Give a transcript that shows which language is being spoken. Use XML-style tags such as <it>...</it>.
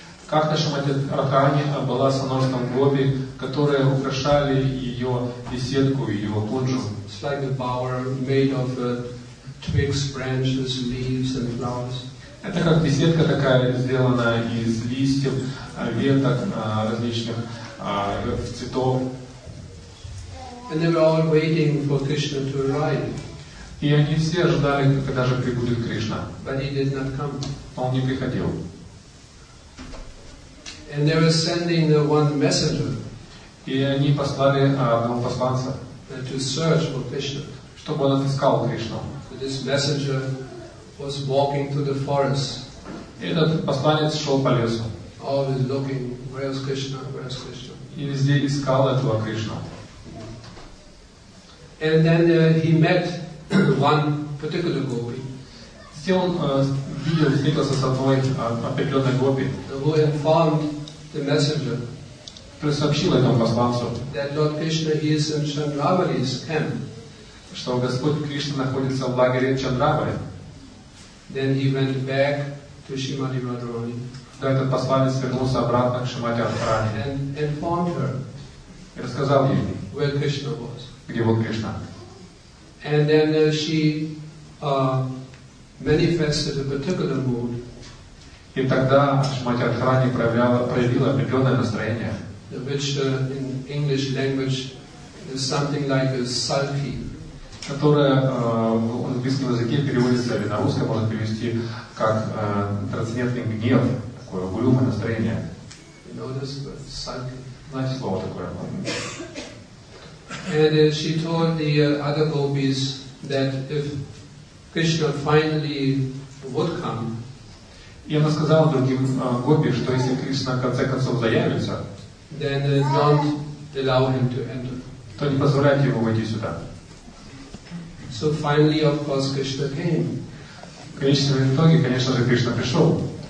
<ru>Как-то Шримати Радхарани была с множеством гопи, которые украшали ее беседку, ее пуджу.</ru> <en>It's like a bower made of twigs, branches, leaves and flowers.</en> <ru>Это как беседка такая, сделанная из листьев, веток различных цветов.</ru> <en>And they were all waiting for Krishna to arrive.</en> <ru>И они все ждали, когда же прибудет Кришна.</ru> <en>But he did not come.</en> <ru>Он не приходил.</ru> <en>And they were sending the one messenger.</en> <ru>И они послали одного посланца.</ru> <en>To search for Krishna.</en> <ru>Чтобы он отыскал Кришну.</ru> <en>So this messenger was walking through the forest.</en> <ru>И этот посланец шел по лесу.</ru> <en>Always looking, where is Krishna? Where is Krishna?</en> <ru>И везде искал этого Кришну.</ru> <en>And then he met one particular gopi.</en> <ru>Здесь он видел, встретился с одной определенной гопи.</ru> <en>Who informed the messenger?</en> <ru>Сообщил этому посланцу.</ru> <en>That Lord Krishna is in Chandravali's camp.</en> <ru>Что Господь Кришна находится в лагере Чандравали.</ru> <en>Then he went back to Shrimati Radharani.</en> <ru>Тогда этот посланец вернулся обратно к Шримати Радхарани.</ru> <en>And informed her.</en> <ru>И рассказал ей.</ru> <en>Where Krishna was.</en> <ru>Где был Кришна.</ru> <en>And then she manifested a particular mood.</en> <ru>И тогда Шримати Радхарани проявила определенное настроение.</ru> <en>Which in English language is something like a sulky.</en> <ru>Которое в английском языке переводится, или на русском можно перевести как трансцендентный гнев, такое угрюмое настроение.</ru> <en>You know this word, sulky.</en> <ru>Знаете слово такое?</ru> <en>And she told the other gopis that if Krishna finally would come,</en> <ru>и она сказала другим гопи, что если Кришна в конце концов заявится,</ru> <en>then don't allow him to enter.</en> <ru>То не позволяйте ему войти сюда.</ru> <en>So finally, of course, Krishna came.</en> <ru>В конечном итоге, конечно же, Кришна пришел.</ru>